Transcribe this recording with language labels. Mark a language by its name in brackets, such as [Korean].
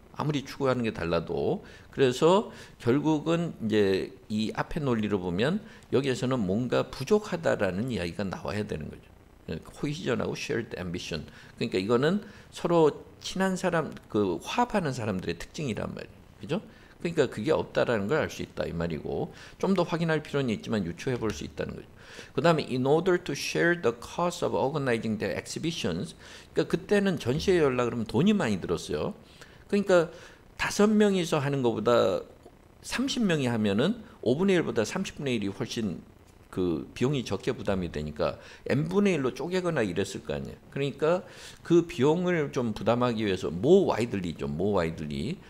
[Korean] 아무리 추구하는 게 달라도. 그래서 결국은 이제 이 앞에 논리로 보면 여기에서는 뭔가 부족하다라는 이야기가 나와야 되는 거죠. 코히전하고 쉐어드 앰비션. 그러니까 이거는 서로 친한 사람, 그 화합하는 사람들의 특징이란 말이죠. 그죠? 그러니까 그게 없다라는 걸알수 있다 이 말이고, 좀더 확인할 필요는 있지만 유추해 볼수 있다는 거죠. 그 다음에 [English] in order to share the cost of organizing their exhibitions. [Korean] 그러니까 그때는 전시회 연락을 하면 돈이 많이 들었어요. 그러니까 다섯 명이서 하는 것보다 30명이 하면은 5분의 1보다 30분의 1이 훨씬 그 비용이 적게 부담이 되니까 n분의 1로 쪼개거나 이랬을 거 아니에요. 그러니까 그 비용을 좀 부담하기 위해서 more widely 좀 more widely.